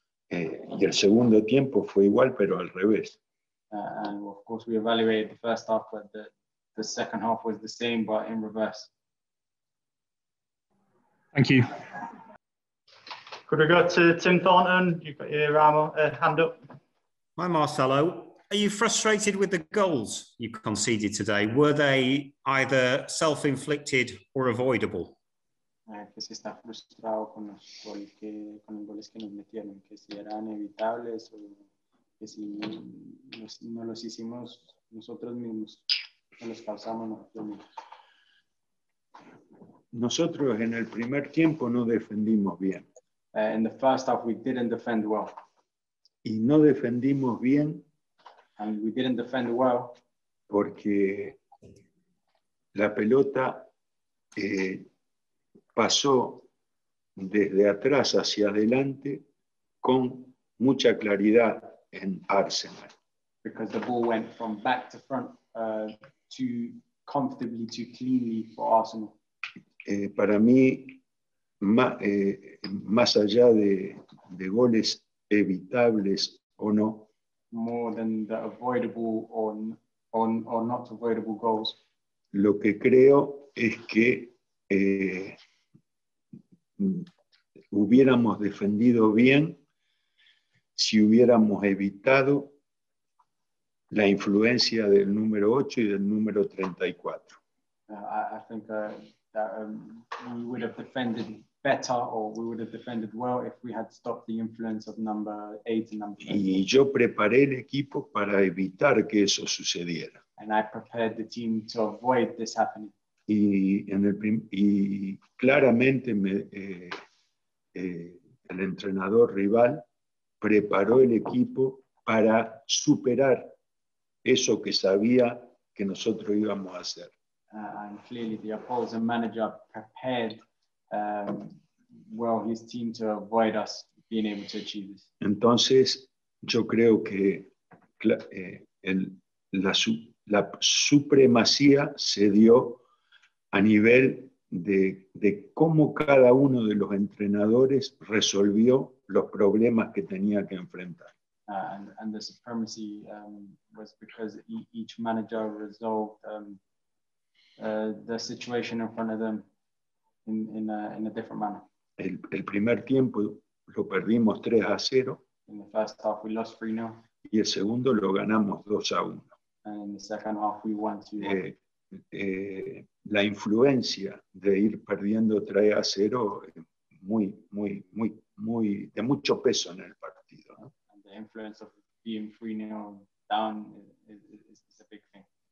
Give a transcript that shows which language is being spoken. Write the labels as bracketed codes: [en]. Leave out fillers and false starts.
[es] Y el segundo tiempo fue igual, pero al revés. [en] And of course we evaluated the first half, but the second half was the same, but in reverse. Thank you. Could we go to Tim Thornton? You've got your hand up. Hi, Marcelo. Are you frustrated with the goals you conceded today? Were they either self-inflicted or avoidable? [es] Que si está frustrado con los goles que con los goles que nos metieron, que si eran evitables o que si no los hicimos nosotros mismos, no los causamos nosotros mismos. Nosotros en el primer tiempo no defendimos bien. [en] In the first half we didn't defend well. [es] Y no defendimos bien. [en] And we didn't defend well. [es] Porque la pelota pasó desde atrás hacia adelante con mucha claridad en Arsenal. [en] Because the ball went from back to front too comfortably, too cleanly for Arsenal. [es] Para mí, más allá de goles evitables o no. [en] More than the avoidable or not avoidable goals. [es] Lo que creo es que hubiéramos defendido bien si hubiéramos evitado la influencia del número 8 y del número 34. [en] I think that we would have defended better or we would have defended well if we had stopped the influence of number 8 and number [es] 34. Y yo preparé el equipo para evitar que eso sucediera. [en] And I prepared the team to avoid this happening. [es] Y en el y claramente el entrenador rival preparó el equipo para superar eso que sabía que nosotros íbamos a hacer. [en] And clearly the opposing manager prepared well his team to avoid us being able to achieve this. [es] Entonces yo creo que la supremacía se dio a nivel de cómo cada uno de los entrenadores resolvió los problemas que tenía que enfrentar. [en] And the supremacy was because each manager resolved the situation in front of them in a different manner. [es] El primer tiempo lo perdimos 3-0. [en] In the first half we lost 3-0. [es] Y el segundo lo ganamos 2-1. [en] And in the second half we won 2-1. [es] La influencia de ir perdiendo 3-0 muy muy muy muy de mucho peso en el partido, ¿no? [en] And the influence of being 3-0 down is a big thing.